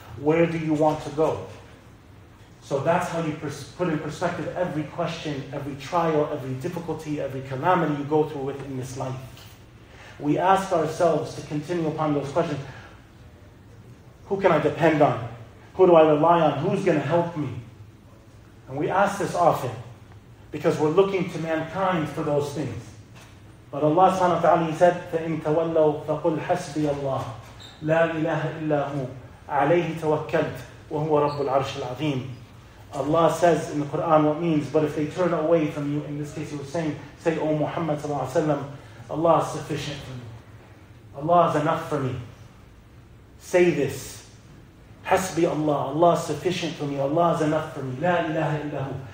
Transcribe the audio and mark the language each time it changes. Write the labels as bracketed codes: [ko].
[en] Where do you want to go? So that's how you put in perspective every question, every trial, every difficulty, every calamity you go through within this life. We ask ourselves to continue upon those questions. Who can I depend on? Who do I rely on? Who's going to help me? And we ask this often because we're looking to mankind for those things. But Allah subhanahu wa ta'ala said, [ar] فَإِن تَوَلَّوْا فَقُلْ حَسْبِيَ اللَّهُ لَا إِلَهَ إِلَّا هُوَ عَلَيْهِ تَوَكَّلْتُ وَهُوَ رَبُّ الْعَرْشِ الْعَظِيمِ. [en] Allah says in the Quran what means, but if they turn away from you, in this case he was saying, say, O Muhammad sallallahu alayhi wa sallam, Allah is sufficient for me. Allah is enough for me. Say this. Hasbi Allah. Allah is sufficient for me. Allah is enough for me. La ilaha illahu.